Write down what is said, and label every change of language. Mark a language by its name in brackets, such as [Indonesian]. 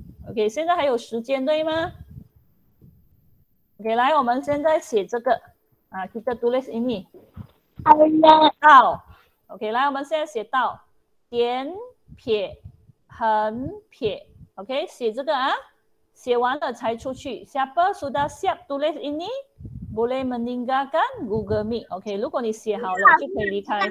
[Chinese] OK, 现在还有时间对吗?OK, 来我们现在写这个 [Malay] kita tulis ini [Chinese] 到 OK, 来我们现在写到 点, 撇, 横, 撇 OK, 写这个 写完了才出去. [Malay] Siapa sudah siap tulis ini? Boleh meninggalkan Google Meet. [Chinese] Okey, 如果你写好了就可以离开.